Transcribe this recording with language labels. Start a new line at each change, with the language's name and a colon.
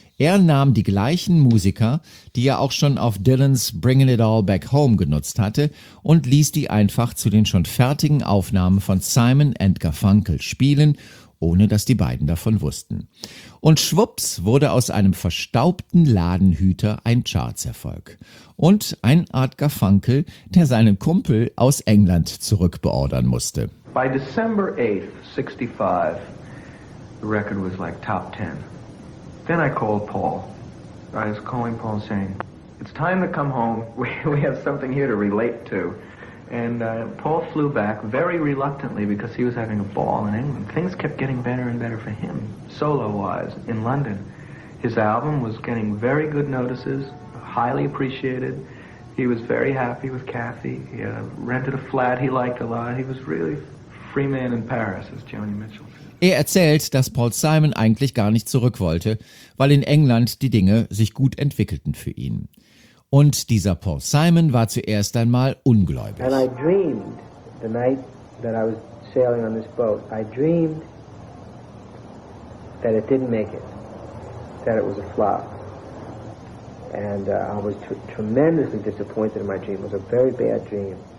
German: Er nahm die gleichen Musiker, die er auch schon auf Dylans Bringin' It All Back Home genutzt hatte, und ließ die einfach zu den schon fertigen Aufnahmen von Simon & Garfunkel spielen, ohne dass die beiden davon wussten. Und schwupps wurde aus einem verstaubten Ladenhüter ein Charts-Erfolg. Und ein Art Garfunkel, der seinen Kumpel aus England zurückbeordern musste.
English: By December 8th, 65, the record was like top 10. Then I called Paul. I was calling Paul and saying, it's time to come home. We have something here to relate to. And Paul flew back very reluctantly because he was having a ball in England. Things kept getting better and better for him, solo-wise, in London. His album was getting very good notices, highly appreciated. He was very happy with Kathy. He rented a flat he liked a lot. He was really free man in Paris, as Joni Mitchell.
German: Er erzählt, dass Paul Simon eigentlich gar nicht zurück wollte, weil in England die Dinge sich gut entwickelten für ihn. Und dieser Paul Simon war zuerst einmal ungläubig.
English: And I dreamed the night that I was sailing on this boat. I dreamed that it didn't make it, that it was a flop. And I was tremendously disappointed in my dream. It was a very bad dream.